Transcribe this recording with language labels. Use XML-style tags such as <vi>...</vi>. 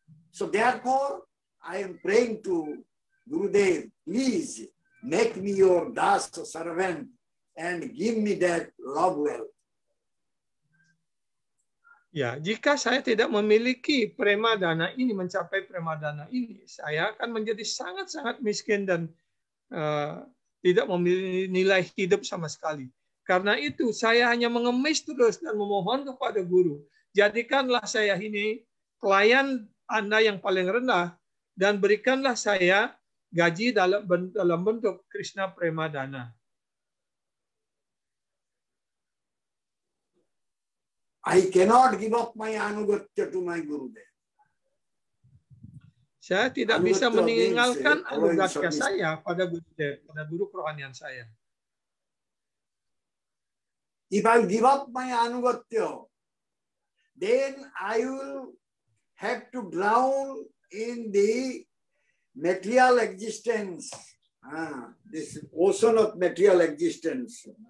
<en>So therefore, I am praying to Gurudev, please make me your das servant and give me that love wealth.</en> <id>Ya, jika saya tidak memiliki prema dana ini, mencapai prema dana ini, saya akan menjadi sangat-sangat miskin dan tidak memiliki nilai hidup sama sekali. Karena itu, saya hanya mengemis terus dan memohon kepada guru, jadikanlah saya ini pelayan Anda yang paling rendah dan berikanlah saya gaji dalam bentuk Krishna Prema Dana.</id> <en>I cannot give up my anugatya to my Gurudev.</en> <id>Saya tidak bisa meninggalkan anugerahnya saya pada Gurudev, pada guru kerohanian saya.</id> <en>If I give up my anugatya, then I will have to drown in the material existence. This ocean of material existence.</en>